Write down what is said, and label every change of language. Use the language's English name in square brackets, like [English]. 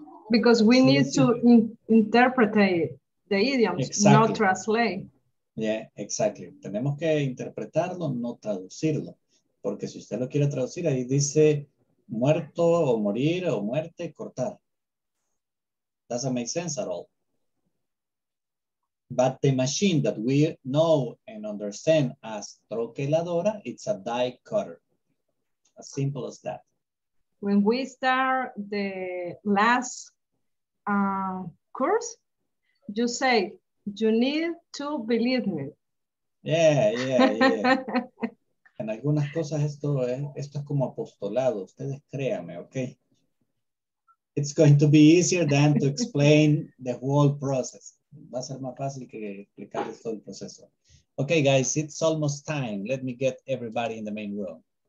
[English] Because we need to interpret the idiom, not translate. Yeah, exactly. [Spanish] Tenemos que interpretarlo, no traducirlo. Porque si usted lo quiere traducir, ahí dice muerto o morir o muerte, cortar. [English] Doesn't make sense at all. But the machine that we know and understand as troqueladora, it's a die cutter. As simple as that. When we start the last course, you say, you need to believe me. [Spanish] Yeah. En algunas cosas esto es como apostolado. Ustedes créanme, okay? [English] It's going to be easier than to explain the whole process. [Spanish] Va a ser más fácil que explicarles todo el proceso. [English] Okay, guys, it's almost time. Let me get everybody in the main room.